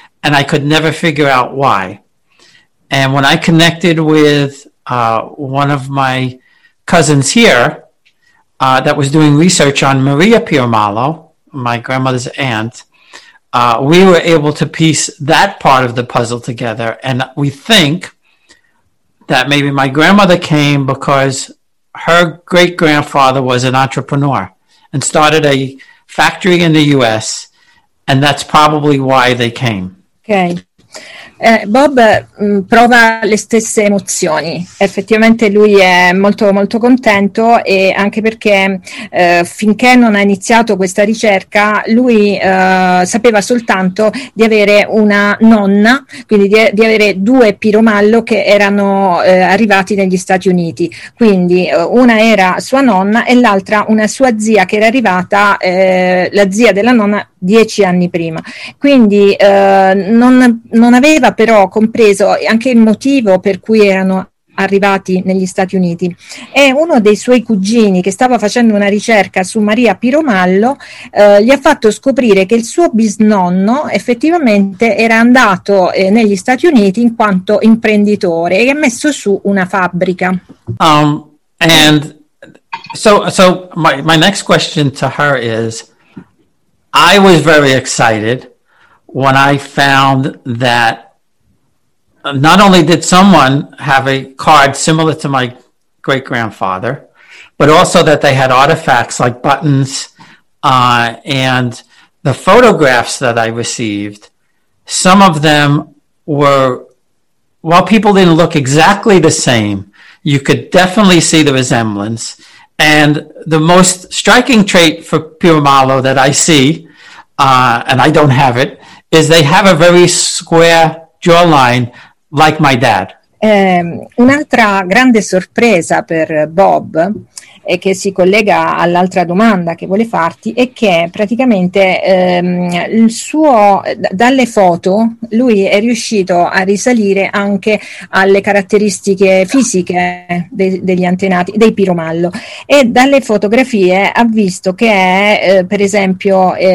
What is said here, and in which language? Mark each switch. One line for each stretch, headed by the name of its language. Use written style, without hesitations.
English: And I could never figure out why. And when I connected with one of my cousins here, that was doing research on Maria Piromallo, my grandmother's aunt, we were able to piece that part of the puzzle together. And we think that maybe my grandmother came because her great-grandfather was an entrepreneur and started a factory in the U.S., and that's probably why they came. Okay.
Italian: Bob prova le stesse emozioni, effettivamente lui è molto molto contento, e anche perché finché non ha iniziato questa ricerca lui sapeva soltanto di avere una nonna, quindi di avere due Piromallo che erano arrivati negli Stati Uniti, quindi una era sua nonna e l'altra una sua zia che era arrivata, la zia della nonna, 10 anni prima. Quindi non aveva però compreso anche il motivo per cui erano arrivati negli Stati Uniti, e uno dei suoi cugini che stava facendo una ricerca su Maria Piromallo gli ha fatto scoprire che il suo bisnonno effettivamente era andato negli Stati Uniti in quanto imprenditore e ha messo su una fabbrica.
English: And so my next question to her is, I was very excited when I found that not only did someone have a card similar to my great-grandfather, but also that they had artifacts like buttons, and the photographs that I received, some of them were, while people didn't look exactly the same, you could definitely see the resemblance. And the most striking trait for Piromallo that I see, and I don't have it, is they have a very square jawline like my dad.
Italian: Un'altra grande sorpresa per Bob, e che si collega all'altra domanda che vuole farti, è che praticamente il suo dalle foto lui è riuscito a risalire anche alle caratteristiche fisiche degli antenati, dei Piromallo, e dalle fotografie ha visto che per esempio